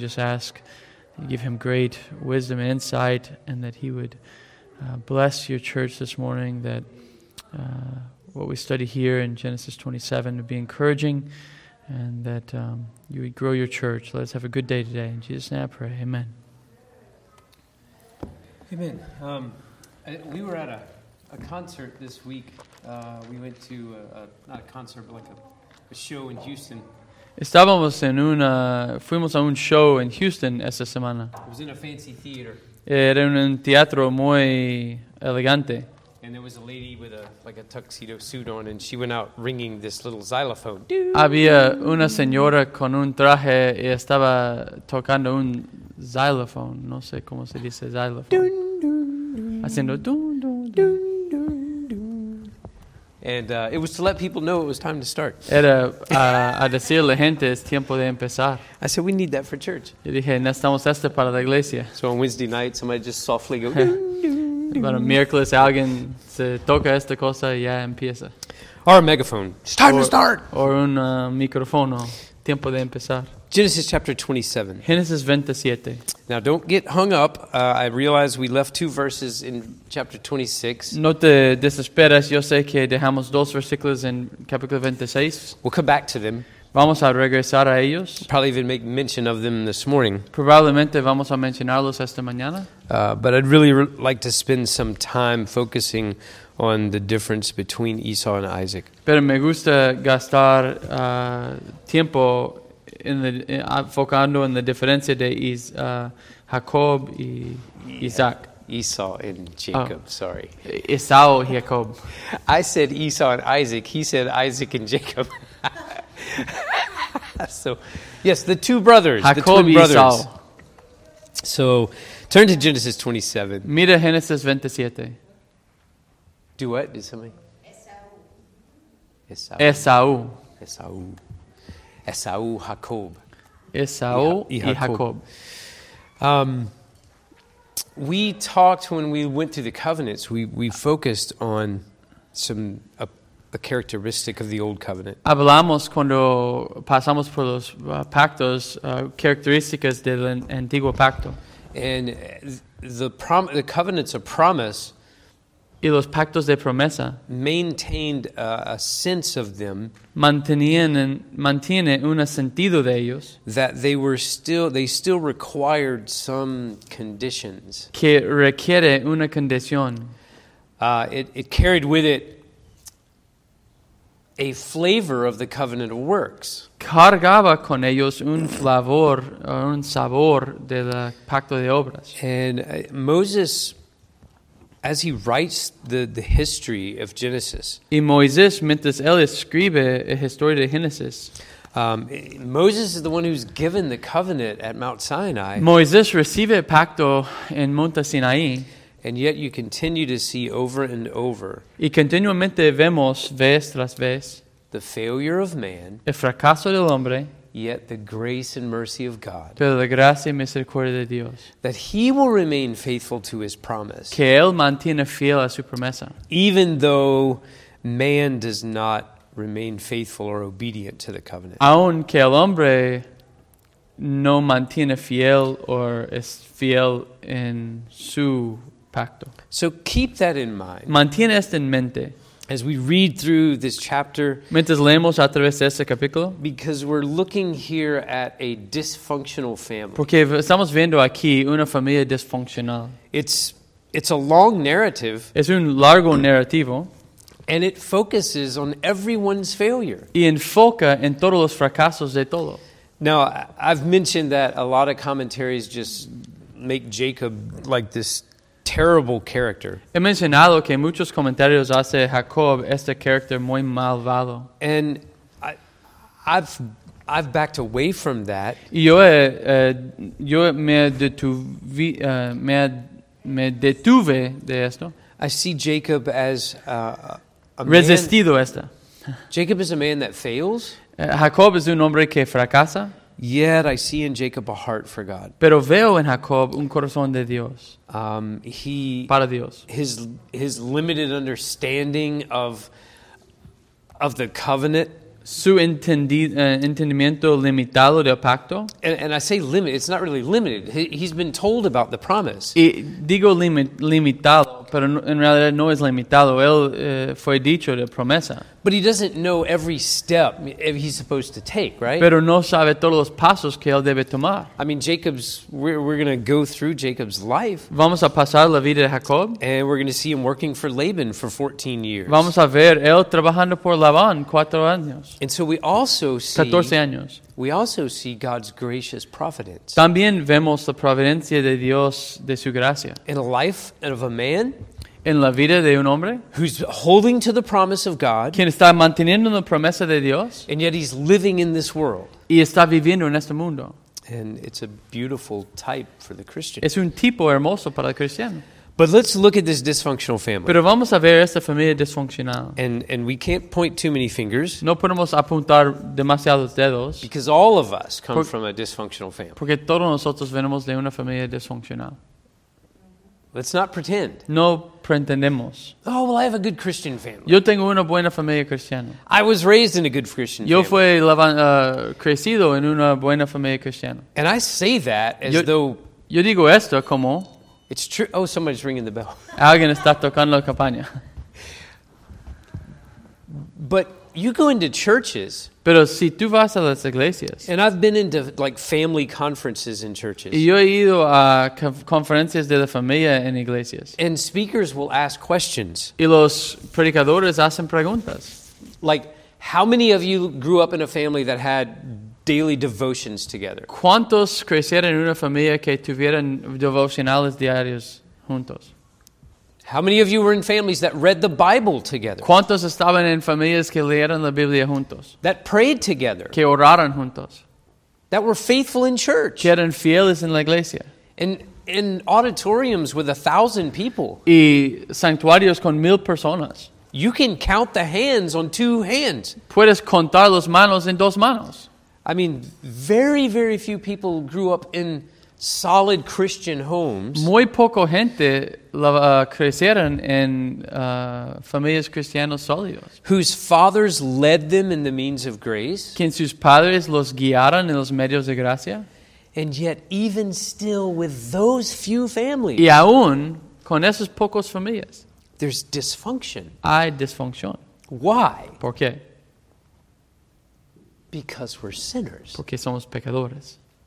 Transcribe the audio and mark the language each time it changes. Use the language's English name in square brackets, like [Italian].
[English] Just ask that you give him great wisdom and insight, and that he would bless your church this morning, that what we study here in Genesis 27 would be encouraging, and that you would grow your church. Let us have a good day today. In Jesus' name I pray. Amen. Amen. We were at a concert this week. We went to, not a concert, but like a show in Houston. [Spanish] Estábamos en una, fuimos a un show en Houston esta semana. [English] It was in a fancy theater. [Spanish] Era en un teatro muy elegante. [English] And there was a lady with a like a tuxedo suit on, and she went out ringing this little xylophone. [Spanish] Había una señora con un traje y estaba tocando un xylophone. No sé cómo se dice xylophone. Dun, dun, dun. Haciendo dun, dun, dun. Dun, dun, dun. [English] And it was to let people know it was time to start. [Spanish] Era a decirle a la gente es tiempo de empezar. [English] I said, we need that for church. [Spanish] Yo dije, necesitamos esto para la iglesia. [English] So on Wednesday night, somebody just softly go, dun, dun. About a miraculous [Spanish] alguien se toca esta cosa y ya empieza. [English] Or a megaphone. It's time to start. [Spanish] Or un micrófono. Tiempo de empezar. [English] Genesis chapter 27. Genesis 27. Now don't get hung up. I realize we left two verses in chapter 26. [Spanish] No te desesperes. Yo sé que dejamos dos versículos en capítulo 26. [English] We'll come back to them. [Spanish] Vamos a regresar a ellos. [English] Probably even make mention of them this morning. [Spanish] Probablemente vamos a mencionarlos esta mañana. [English] But I'd really like to spend some time focusing on the difference between Esau and Isaac. [Spanish] Pero me gusta gastar tiempo enfocando en la diferencia de Jacob y Isaac. [English] Esau and Jacob, sorry. [Spanish] Esau y Jacob. [English] I said Esau and Isaac. He said Isaac and Jacob. So, yes, the two brothers, Jacob, the twin brothers. Esau. So, turn to Genesis 27. [Spanish] Mira Genesis 27. [English] Do what? Did somebody? Esau. Esau. Esau. Esau, Jacob. [Spanish] Esau y Jacob. [English] We talked when we went through the covenants, we focused on some... A characteristic of the old covenant. [Spanish] Hablamos cuando pasamos por los pactos, características del antiguo pacto. [English] And the covenants of promise. [Spanish] Y los pactos de promesa. [English] Maintained a sense of them. [Spanish] Mantiene un sentido de ellos. [English] That they were still, they still required some conditions. [Spanish] Que requiere una condición. [English] It carried with it. A flavor of the covenant of works. [Spanish] Cargaba con ellos un flavor, un sabor de la pacto de obras. [English] And Moses, as he writes the history of Genesis. [Spanish] Y Moisés, mientras él escribe la historia de Génesis. [English] Moses is the one who's given the covenant at Mount Sinai. [Spanish] Moisés recibe el pacto en Monte Sinaí. [English] And yet you continue to see over and over. [Spanish] Y continuamente vemos vez tras vez [English] the failure of man. [Spanish] El fracaso del hombre. [English] Yet the grace and mercy of God. [Spanish] Pero la gracia y misericordia de Dios. [English] That he will remain faithful to his promise. [Spanish] Que él mantiene fiel a su promesa. [English] Even though man does not remain faithful or obedient to the covenant. [Spanish] Aunque el hombre no mantiene fiel o es fiel en su pacto. [English] So keep that in mind. [Spanish] Mantiene esto en mente. [English] As we read through this chapter. [Spanish] Mientras leemos a través de este capítulo. [English] Because we're looking here at a dysfunctional family. [Spanish] Porque estamos viendo aquí una familia disfuncional. [English] It's a long narrative. [Spanish] Es un largo narrativo. [English] And it focuses on everyone's failure. [Spanish] Y enfoca en todos los fracasos de todo. [English] Now, I've mentioned that a lot of commentaries just make Jacob like this terrible character. [Spanish] He mencionado que muchos comentarios hace Jacob este carácter muy malvado. [English] And I've backed away from that. [Spanish] Yo me detuve de esto. [English] I see Jacob as a man. [Spanish] Resistido esta. [English] Jacob is a man that fails. [Spanish] Jacob es un hombre que fracasa. [English] Yet I see in Jacob a heart for God. [Spanish] Pero veo en Jacob un corazón de Dios. [English] He [Spanish] para Dios. [English] His limited understanding of the covenant. [Spanish] Su entendimiento limitado del pacto. [English] And I say limit. It's not really limited. He's been told about the promise. [Spanish] Y digo limitado, pero en realidad no es limitado. Él fue dicho de promesa. [English] But he doesn't know every step he's supposed to take, right? [Spanish] Pero no sabe todos los pasos que él debe tomar. [English] I mean, we're going to go through Jacob's life. [Spanish] Vamos a pasar la vida de Jacob. [English] And we're going to see him working for Laban for 14 years. [Spanish] Vamos a ver él trabajando por Labán 4 años. [English] And so we also see [Spanish] 14 años. [English] We also see God's gracious providence. [Spanish] También vemos la providencia de Dios de su gracia. [English] In a life of a man. [Spanish] En la vida de un hombre [English] who's holding to the promise of God, [Spanish] quien está manteniendo la promesa de Dios, [English] and yet he's living in this world, [Spanish] y está viviendo en este mundo, [English] and it's a beautiful type for the Christian. [Spanish] Es un tipo hermoso para el cristiano. [English] But let's look at this dysfunctional family. [Spanish] Pero vamos a ver esta familia disfuncional. [English] And we can't point too many fingers. [Spanish] No podemos apuntar demasiados dedos. [English] Because all of us come from a dysfunctional family. [Spanish] Porque todos nosotros venimos de una familia disfuncional. [English] Let's not pretend. [Spanish] No pretendemos. [English] Oh, well, I have a good Christian family. [Spanish] Yo tengo una buena familia cristiana. [English] I was raised in a good Christian [Spanish] yo [English] family. [Spanish] Yo fui crecido en una buena familia cristiana. [English] And I say that as yo, though... [Spanish] Yo digo esto como... [English] It's true. Oh, somebody's ringing the bell. [Spanish] Alguien está tocando la campana. [English] But you go into churches... [Spanish] Pero si tú vas a las iglesias... [English] And I've been into, like, family conferences in churches. [Spanish] Y yo he ido a conferencias de la familia en iglesias. [English] And speakers will ask questions. [Spanish] Y los predicadores hacen preguntas. [English] Like, how many of you grew up in a family that had daily devotions together? [Spanish] ¿Cuántos crecieron en una familia que tuvieron devocionales diarios juntos? [English] How many of you were in families that read the Bible together? [Spanish] ¿Cuántos estaban en familias que leyeron la Biblia juntos? [English] That prayed together. [Spanish] Que oraron juntos. [English] That were faithful in church. [Spanish] Que eran fieles en la iglesia. [English] In auditoriums with 1,000 people. [Spanish] Y santuarios con 1,000 personas. [English] You can count the hands on 2 hands. [Spanish] Puedes contar las manos en 2 manos. [English] I mean, very, very few people grew up in solid Christian homes. [Spanish] Muy poco gente crecieron en familias cristianas sólidas. [English] Whose fathers led them in the means of grace. [Spanish] Quien sus padres los guiaron en los medios de gracia. [English] And yet, even still, with those few families. [Spanish] Y aún con esas pocas familias. [English] There's dysfunction. [Spanish] Hay disfunción. [English] Why? [Spanish] ¿Por qué? [English] Because we're sinners. [Spanish] Porque somos pecadores.